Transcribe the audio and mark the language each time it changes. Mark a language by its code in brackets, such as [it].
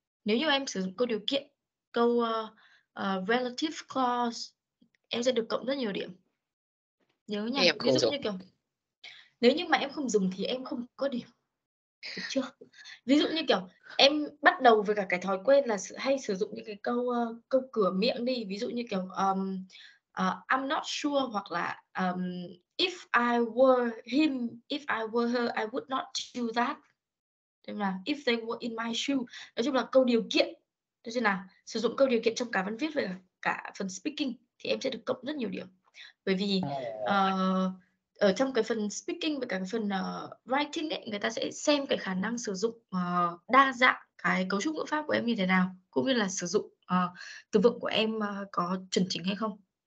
[vi] Nếu như em sử dụng câu điều kiện, câu relative clause, em sẽ được cộng rất nhiều điểm. Nhớ nha, em ví dụ như kiểu, nếu như mà em không dùng thì em không có điểm. Được chưa? Ví dụ như kiểu, em bắt đầu với cả cái thói quen là hay sử dụng những cái câu câu cửa miệng đi. [en] Ví dụ như kiểu I'm not sure, hoặc là if I were him, if I were her, I would not do that. [vi] Nên là if they were in my shoe, nói chung là câu điều kiện. Thế nên là sử dụng câu điều kiện trong cả văn viết và cả phần speaking thì em sẽ được cộng rất nhiều điểm. Bởi vì ở trong cái phần speaking và cả cái phần writing ấy, người ta sẽ xem cái khả năng sử dụng đa dạng cái cấu trúc ngữ pháp của em như thế nào, cũng như là sử dụng từ vựng của em có chuẩn chỉnh hay không.